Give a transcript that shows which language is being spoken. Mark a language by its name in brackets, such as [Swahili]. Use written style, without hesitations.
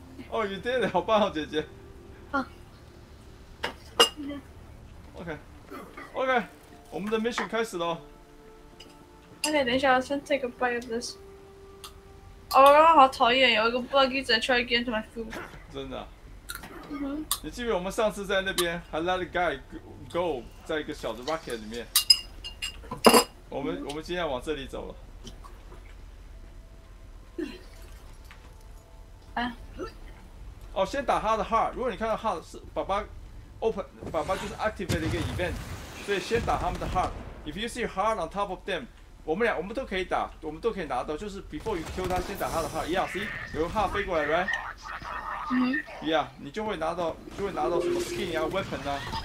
[English] Oh, you did it! [Chinese] 好棒哦，姐姐。 OK, OK, 我们的 mission 开始喽。 [English] OK, [Chinese] 等一下 [English] ，I'll send take a bite of this. Oh, [Chinese] 好讨厌，有一个 [English] bug [Chinese] 一直在 [English] try get my food. [Chinese] 真的、啊。你记得我们上次在那边还 [English] let a guy go [Chinese] 在一个小的 rocket 里面。我们今天往这里走了。哎、啊。哦，先打他的 heart。如果你看到 heart 是爸爸。 Open, 爸爸就是 activate 一个 event， 所以先打他们的 heart。 [English] If you see heart on top of them， [Chinese] 我们都可以打，我们都可以拿到。就是 [English] before you kill [Chinese] 他，先打他的 heart。 Yeah， see， 有个 heart 飞过来 ，right？嗯、mm-hmm.。 Yeah， 你就会拿到，就会拿到什么 skin 啊 ，weapon 啊。